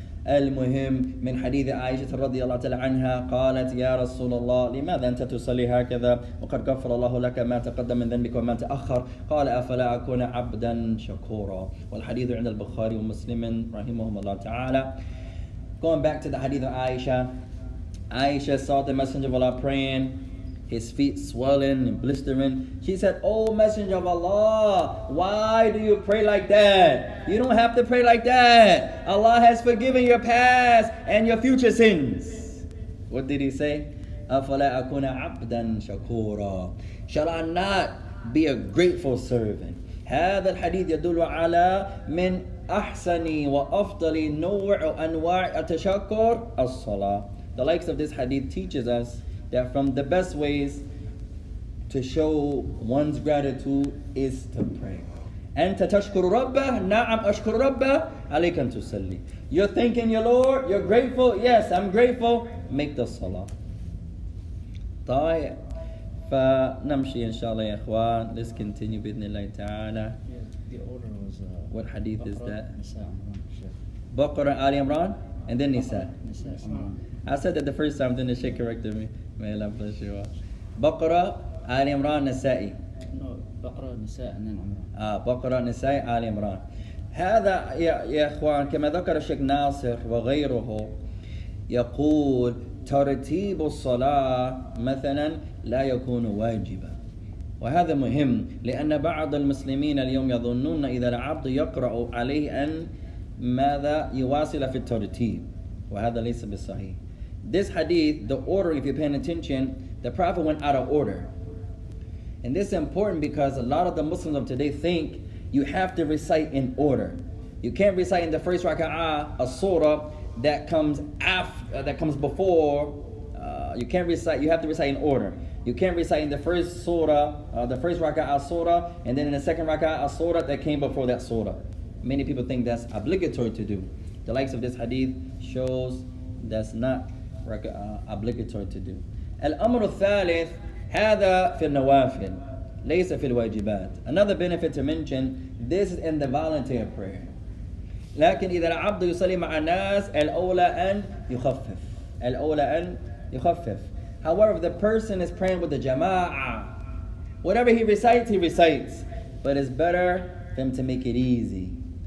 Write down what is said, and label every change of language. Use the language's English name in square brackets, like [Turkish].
[Arabic] المهم من حديث عائشة رضي الله تعالى عنها قالت يا رسول الله لماذا أنت تصلي هكذا وقد غفر الله لك ما تقدم من ذنبك وما تأخر قال أفلا أكون عبدا شكورا والحديث عند البخاري ومسلم رحمهم الله تعالى. [English] Going back to the hadith of Aisha, Aisha saw the Messenger of Allah praying, his feet swelling and blistering. She said, oh Messenger of Allah, why do you pray like that? You don't have to pray like that. Allah has forgiven your past and your future sins. What did he say? [Arabic] أَفَلَا أَكُونَ عَبْدًا شَكُورًا. [English] Shall I not be a grateful servant? [Arabic] هذا الحديث يدل على من أحسن وأفضل نوع أنواع التشكر الصلاة. The likes of this hadith teaches us that from the best ways to show one's gratitude is to pray. أنت تشكر ربه؟ نعم أشكر ربه. عليك أن تصلي. [English] You're thanking your Lord, you're grateful. Yes, I'm grateful. Make the salah. [Arabic] طيب. فنمشي إن شاء الله يا إخوان. [English] Let's continue [Arabic] بإذن الله تعالى. [English] The order was what hadith is that? [Arabic] بقرة آل عمران and then نساء. [English] I said that the first time, then the Shaykh corrected me. May Allah bless you all. Baqara, Ali Imran, Nisa'i. No, Baqara, Nisa'i, Ali Imran. [Arabic] هذا يا إخوان كما ذكر الشيخ ناصر وغيره يقول ترتيب الصلاة مثلا لا يكون واجبا. وهذا مهم لأن بعض المسلمين اليوم يظنون إذا العبد يقرأ عليه أن ماذا يواصل في الترتيب وهذا ليس بالصحيح. [English] This hadith, the order, if you're paying attention, the Prophet went out of order. And this is important because a lot of the Muslims of today think you have to recite in order. You can't recite in the first raka'ah a surah that comes after, that comes before. You have to recite in order. You can't recite in the first surah, the first raka'ah surah, and then in the second raka'ah a surah that came before that surah. Many people think that's obligatory to do. The likes of this hadith shows that's not obligatory to do. [Arabic] Al-amr al-thalith, hada fil nawafil, laysa fil wajibat. [English] Another benefit to mention, this is in the volunteer prayer. [Arabic] لكن إذا العبد يصلي مع الناس الأولى أن يخفف الأولى أن يخفف. [English] However, if the person is praying with the jama'ah, whatever he recites, he recites. But it's better for him to make it easy.